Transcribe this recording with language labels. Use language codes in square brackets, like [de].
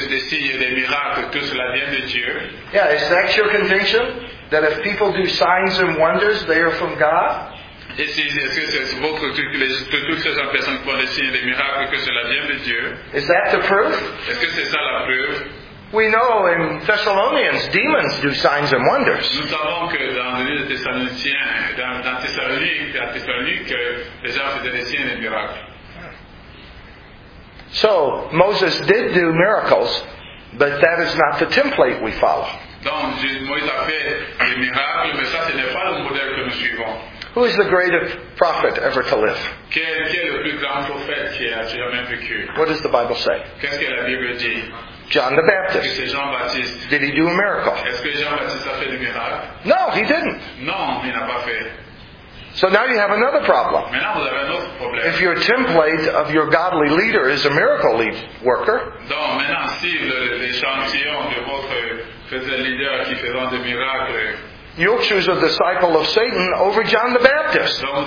[en] Yeah, is that your contention? That if people do signs and wonders, they are from God? Is that the proof? [fr] Est-ce que c'est ça la preuve? [en] We know in Thessalonians, demons do signs and wonders. [fr] Nous savons que dans le livre de Thessaloniciens, dans Thessalonique, les gens faisaient des signes et des miracles. [en] So Moses did do miracles, but that is not the template we follow. [fr] Donc Moïse a fait des miracles, mais ça ce n'est pas le modèle que nous suivons. [en] Who is the greatest prophet ever to live? [fr] Quel le plus grand prophète qui a jamais vécu? [en] What does the Bible say? [fr] Qu'est-ce que la Bible dit? [en] John the Baptist. [fr] Est-ce que c'est Jean-Baptiste? [en] Did he do a miracle? [fr] Est-ce que Jean-Baptiste a fait des miracles? [en] No, he didn't. [fr] Non, il n'a pas fait. [en] So now you have another problem. [fr] Maintenant, vous avez un autre problème. [en] If your template of your godly leader is a miracle lead worker, [fr] donc maintenant, si l'échantillon de votre faisant leader qui faisant des miracles, [en] you'll choose a disciple of Satan over John the Baptist.